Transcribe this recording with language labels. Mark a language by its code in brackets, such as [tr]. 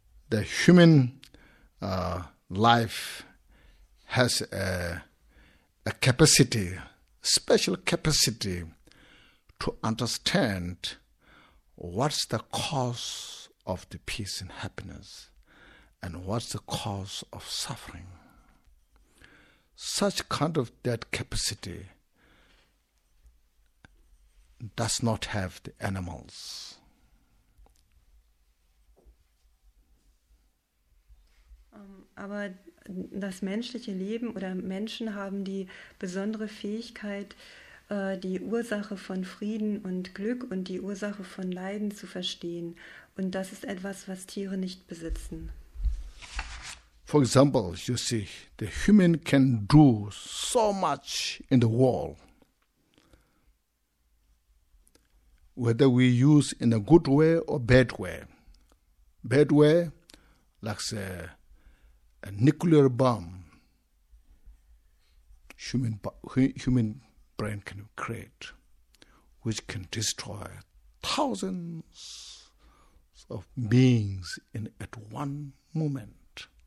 [en] the human life has a capacity, special capacity, to understand what's the cause of the peace and happiness, and what's the cause of suffering. Such kind of that capacity does not have the animals. [de] Aber das menschliche Leben oder Menschen haben die besondere Fähigkeit, die Ursache von Frieden und Glück und die Ursache von Leiden zu verstehen. Und das ist etwas, was Tiere nicht besitzen. [en] For example, you see, the human can do so much in the world. Whether we use in a good way or bad way. Bad way, like say, a nuclear bomb, human brain can create, which can destroy thousands of beings in at one moment.